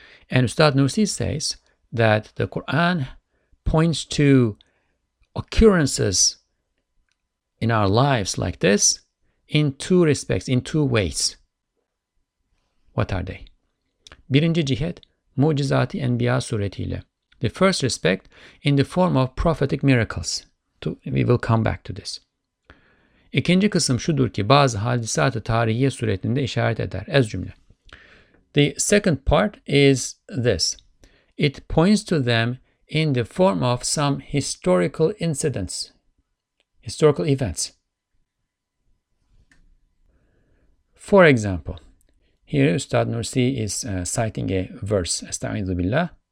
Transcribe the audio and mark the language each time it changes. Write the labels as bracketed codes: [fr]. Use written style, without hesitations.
[en] And Ustad Nursi says that the Quran points to occurrences in our lives like this in two respects, in two ways. What are they? [tr] Birinci cihet, mucizati enbiya suretiyle. [en] The first respect, in the form of prophetic miracles. We will come back to this. [tr] İkinci kısım şudur ki bazı hadisat-ı tarihiye suretinde işaret eder. Ez cümle. [en] The second part is this. It points to them in the form of some historical incidents, historical events. For example, here Üstad Nursi is citing a verse. Estaizu billah.